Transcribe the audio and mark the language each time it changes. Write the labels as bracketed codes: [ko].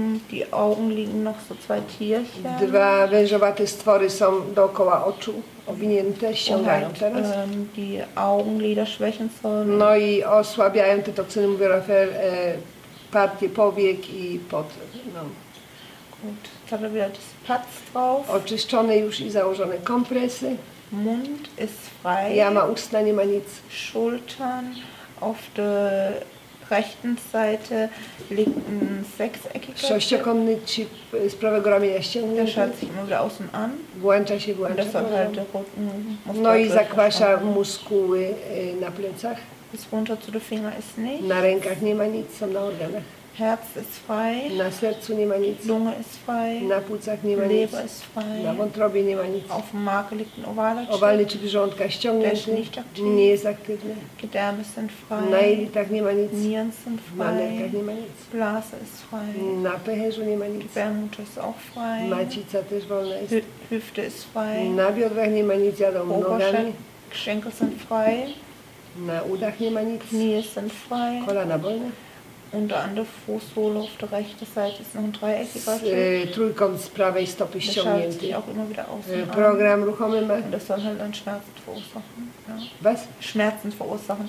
[de] Die Augen liegen noch so zwei Tierchen. [pl] Dwa wężowate stwory są dookoła oczu owinięte, ściągają teraz. [de] Die Augenlider schwächen so. [pl] No i osłabiają te toksyny, mówi Rafael, partie powiek i pod. No. [de] Gut, da haben wir das Platz drauf. [pl] Oczyszczone już i założone kompresy. [de] Mund ist frei. [pl] Jama ustna, nie ma nic. [de] Schultern auf der rechten Seite liegt ein sechseckiger [pl] sześciokątny chip z prawego ramienia ściągnięty. [de] Der schaltet sich immer wieder aus und an. [pl] Włącza się, włącza. No i zakwasza muskuły na plecach. [de] Das runter zu den Finger ist nicht. [pl] Na rękach nie ma nic, są na organach. [de] Herz ist frei. [pl] Na sercu nie ma nic. [de] Lunge ist frei. [pl] Na płucach nie ma [de] Leber [pl] nic. [de] Leber ist frei. [pl] Na wątrobie nie ma nic. [de] Auf dem Magen liegt ein ovaler chip. [pl] Owalny chip żołądka ściągnięty. [de] Der ist nicht aktiv. [pl] Nie jest aktywny. [de] Gedärme sind frei. [pl] Na jelitach nie ma nic. [de] Nieren sind frei. [pl] Na nerkach nie ma nic. [de] Blase ist frei. [pl] Na pęcherzu nie ma nic. [de] Gebärmutter ist auch frei. [pl] Macica też wolna jest. [de] Hüfte ist frei. [pl] Na biodrach nie ma nic, jadą nogami. [de] Oberschenkel sind frei. [pl] Na udach nie ma nic. [de] Knie sind frei. [pl] Kolana wolne. [de] Unter anderem Fußsohle auf der rechten Seite ist noch ein dreieckiger Chip. [pl] Trójkąt z prawej stopy ściągnięty. [de] Auch immer wieder aus und an. [pl] Program ruchomy ma. [de] Und das soll halt dann Schmerzen verursachen. Ja. Was? Schmerzen verursachen.